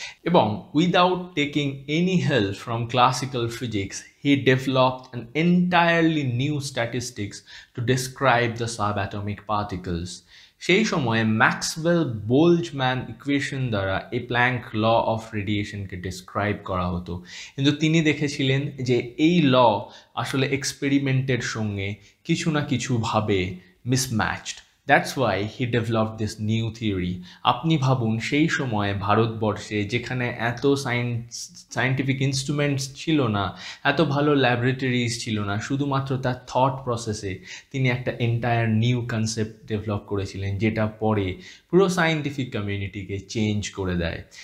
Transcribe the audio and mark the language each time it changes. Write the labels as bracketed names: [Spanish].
[English] এবং without taking any help from classical physics he developed an entirely new statistics to describe the subatomic particles. [Bangla] সেই সময়ে Maxwell Boltzmann equation দ্বারা এই Planck law of রেডিয়েশনকে describe করা হতো, কিন্তু তিনি দেখেছিলেন যে এই ল আসলে এক্সপেরিমেন্টের সঙ্গে কিছু না কিছুভাবে মিসম্যাচড। [English] That's why he developed this new theory. [Bangla] আপনি ভাবুন সেই সময়ে ভারতবর্ষে যেখানে এত সায়েন্টিফিক ইনস্ট্রুমেন্টস ছিল না, এত ভালো ল্যাবরেটরিজ ছিল না, শুধুমাত্র তার থট প্রসেসে তিনি একটা এন্টায়ার নিউ কনসেপ্ট ডেভেলপ করেছিলেন যেটা পরে পুরো সায়েন্টিফিক কমিউনিটিকে চেঞ্জ করে দেয়।